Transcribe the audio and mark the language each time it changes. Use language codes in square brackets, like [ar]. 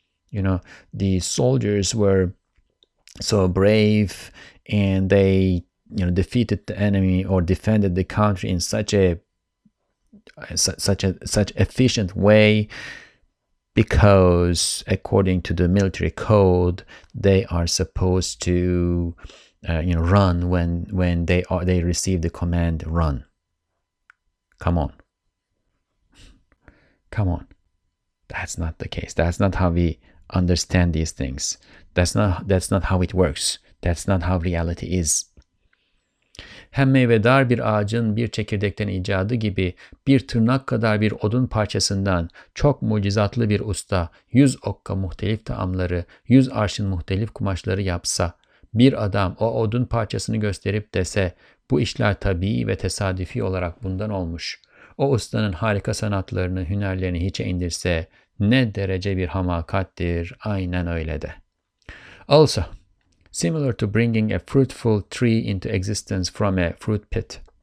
[en] You know, the soldiers were so brave and they, defeated the enemy or defended the country in such efficient way because according to the military code they are supposed to run when they receive the command run. Come on, that's not the case. That's not how we understand these things. That's not how it works. That's not how reality is. [tr] Hem meyvedar bir ağacın bir çekirdekten icadı gibi bir tırnak kadar bir odun parçasından çok mucizatlı bir usta 100 okka muhtelif taamları, 100 arşın muhtelif kumaşları yapsa, bir adam o odun parçasını gösterip dese, bu işler tabii ve tesadüfi olarak bundan olmuş. O ustanın harika sanatlarını, hünerlerini hiçe indirse ne derece bir hamakattir, aynen öyle de. [en] Also, similar to bringing a fruitful tree into existence from a fruit pit.